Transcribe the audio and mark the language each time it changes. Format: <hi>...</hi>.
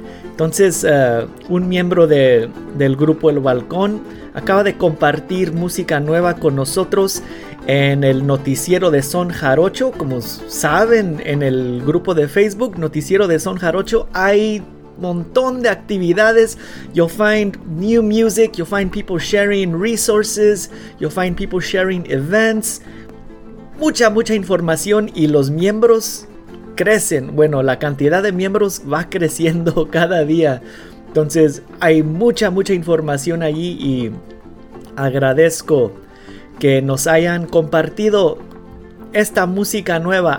<es>Entonces, un miembro del grupo El Balcón acaba de compartir música nueva con nosotros en el noticiero de Son Jarocho. Como saben, en el grupo de Facebook, Noticiero de Son Jarocho, hay montón de actividades.</es> <en>You'll find new music, you'll find people sharing resources, you'll find people sharing events.</en> <es>Mucha, mucha información, y los miembros crecen. Bueno, la cantidad de miembros va creciendo cada día. Entonces, hay mucha, mucha información allí, y agradezco que nos hayan compartido esta música nueva.</es>